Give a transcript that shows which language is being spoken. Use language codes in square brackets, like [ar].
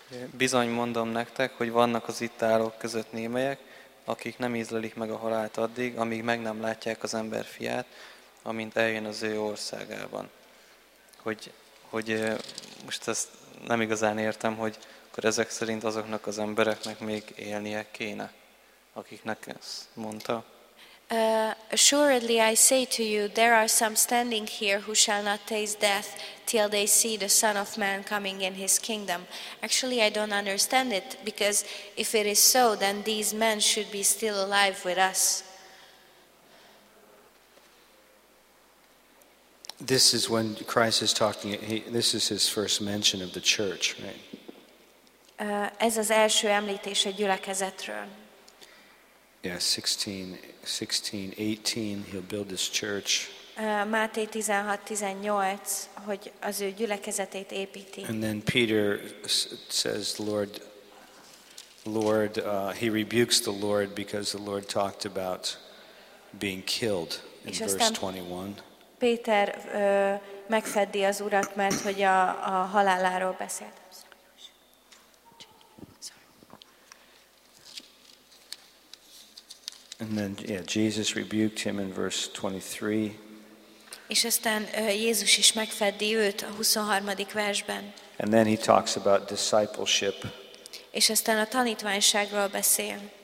[hu] Bizony mondom nektek, hogy vannak az itt állók között némelyek, akik nem ízlelik meg a halált addig, amíg meg nem látják az ember fiát, amint eljön az ő országában. Hogy most ezt nem igazán értem, hogy akkor ezek szerint azoknak az embereknek még élnie kéne, akiknek ezt mondta. [en] Assuredly, I say to you, there are some standing here who shall not taste death till they see the Son of Man coming in his kingdom. Actually, I don't understand it, because if it is so, then these men should be still alive with us. This is when Christ is talking, this is his first mention of the church, right? [hu] Ez az első említés a gyülekezetről. [en] Yeah, 16, 18, he'll build this church. [hu] Máté 16:18, hogy az ő gyülekezetét építi. [en] And then Peter says, Lord, he rebukes the Lord because the Lord talked about being killed in verse 21. [hu] Péter megfeddi az Urat, mert hogy a haláláról beszélt. [en] And then, yeah, Jesus rebuked him in verse 23. [hu] És aztán Jézus is megfeddi őt a 23. versben. [en] And then he talks about discipleship. [hu] És aztán a tanítványságról beszél.